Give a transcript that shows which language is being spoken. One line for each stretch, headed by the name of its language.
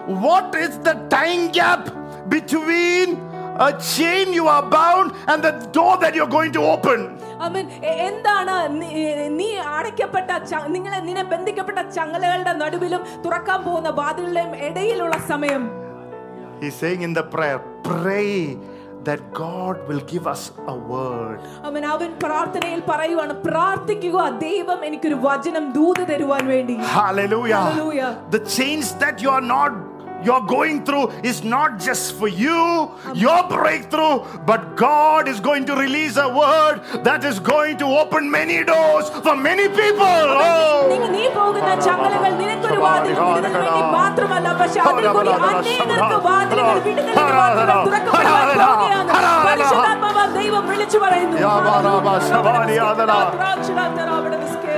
English: What is the time gap between a chain you are bound and the door that you're going to open? Amen.
Malayalam: എന്താണ് നീ അടയ്ക്കപ്പെട്ട നിന്നെ ബന്ധിക്കപ്പെട്ട ചങ്ങലകളുടെ നടുവിലും തുറക്കാൻ പോകുന്ന വാതിലുകളുടെയും ഇടയിലുള്ള സമയം?
English: He's saying in the prayer, pray that God will give us a word. Amen.
Malayalam: അവൻ പ്രാർത്ഥനയിൽ പറയുവാണ്, പ്രാർത്ഥിക്കുക ദൈവം എനിക്കൊരു വചനം ദൂത് തരുവാൻ വേണ്ടി.
English: Hallelujah. Hallelujah. The chains that you are not you're going through is not just for you, your breakthrough, but God is going to release a word that is going to open many doors for many people.